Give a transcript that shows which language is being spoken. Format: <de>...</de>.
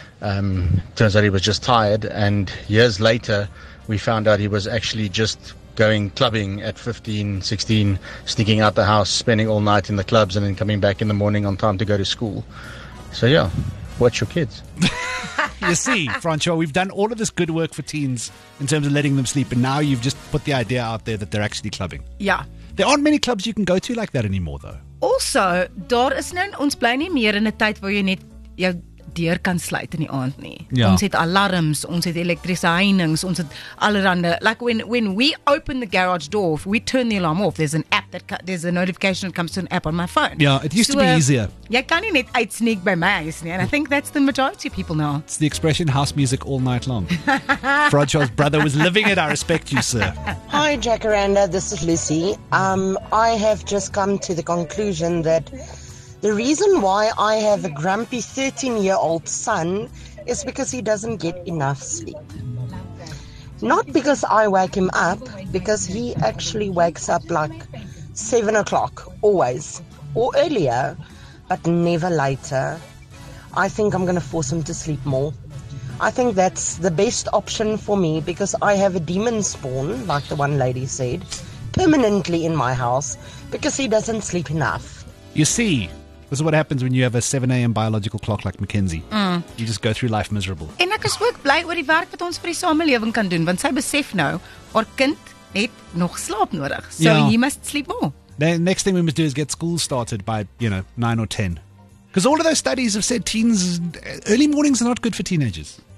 <en>Turns out he was just tired. And years later, we found out he was actually just going clubbing at 15, 16, sneaking out the house, spending all night in the clubs, and then coming back in the morning on time to go to school. So, yeah, watch your kids. You see, Francois, we've done all of this good work for teens in terms of letting them sleep, and now you've just put the idea out there that they're actually clubbing. Yeah. There aren't many clubs you can go to like that anymore, though.</en> <af>Also, daar is nou ons bly nie meer in 'n tyd waar jy net jou deur kan sluit in die aand nie.</af> <en>Yeah.</en> <af>Ons het alarms, ons het elektriese heininge, ons het allerhande.</af> <en>Like when we open the garage door, if we turn the alarm off, there's an app that there's a notification that comes to an app on my phone. Yeah, it used to be easier.</en> <af>Jy kan nie net uit sneak by my huis nie,</af> <en>and I think that's the majority of people now. It's the expression house music all night long. Francois's brother was living it. I respect you, sir. Hi, Jacaranda. This is Lucy. I have just come to the conclusion that the reason why I have a grumpy 13-year-old son is because he doesn't get enough sleep. Not because I wake him up, because he actually wakes up like 7 o'clock, always, or earlier, but never later. I think I'm going to force him to sleep more. I think that's the best option for me because I have a demon spawn, like the one lady said, permanently in my house because he doesn't sleep enough. You see, This is what happens when you have a 7 a.m. biological clock like Mackenzie. Mm. You just go through life miserable.</en> <af>En ek is ook bly oor die werk wat ons vir die samelewing kan doen, want sy besef nou, haar kind het nog slaap nodig.</af> <en>So yeah. He must sleep more. The next thing we must do is get school started by, you know, 9 or 10. Because all of those studies have said teens, early mornings are not good for teenagers.</en>